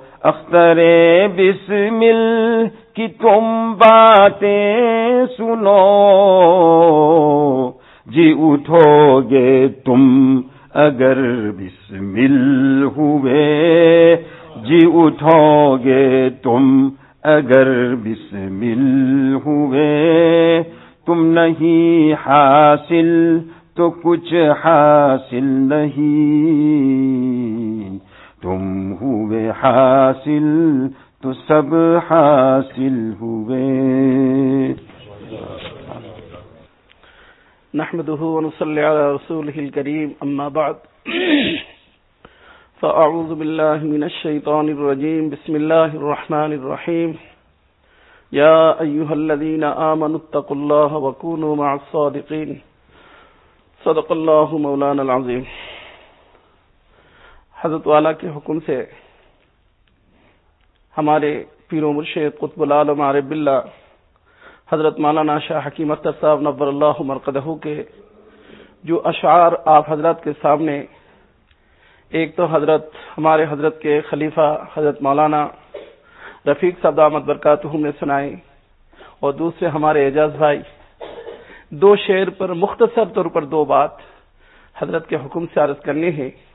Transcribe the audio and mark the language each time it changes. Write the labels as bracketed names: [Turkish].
[Urdu] اختر بسمل کی تم باتیں سنو، جی اٹھو گے تم اگر بسمل ہوئے، جی اٹھو گے تم اگر بسمل ہوئے، تم نہیں حاصل تو کچھ حاصل نہیں، تم ہوئے حاصل تو سب حاصل ہوئے. [Arabic] نحمده ونصلي على رسوله الكريم، اما بعد، فاعوذ بالله من الشيطان الرجيم، بسم الله الرحمن الرحيم. يا ايها الذين امنوا اتقوا الله وكونوا مع الصادقين. صدق الله مولانا العظيم. [Urdu] حضرت والا کے حکم سے ہمارے پیر و مرشد قطب العالم عارف اللہ حضرت مولانا شاہ حکیم اختر صاحب نور اللہ مرقدہ کے جو اشعار آپ حضرت کے سامنے، ایک تو حضرت ہمارے حضرت کے خلیفہ حضرت مولانا رفیق صاحب دامت برکاتہم نے سنائے، اور دوسرے ہمارے اعجاز بھائی، دو شعر پر مختصر طور پر دو بات حضرت کے حکم سے عرض کرنی ہے.